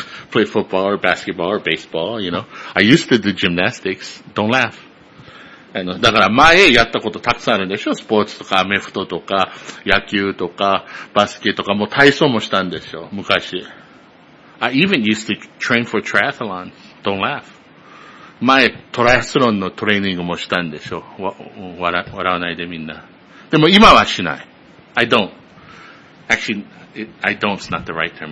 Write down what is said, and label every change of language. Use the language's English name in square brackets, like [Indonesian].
[English] Play football or basketball or baseball, you know. I used to do gymnastics. Don't laugh. [Japanese] だから前やったことたくさんあるんでしょ。スポーツとかアメフトとか野球とかバスケとかもう体操もしたんでしょ。昔。 [English] I even used to train for triathlon. Don't laugh. [Japanese] 前トライアスロンのトレーニングもしたんでしょ。笑わないでみんな。でも今はしない。 [English] I don't. Actually, I don't is not the right term.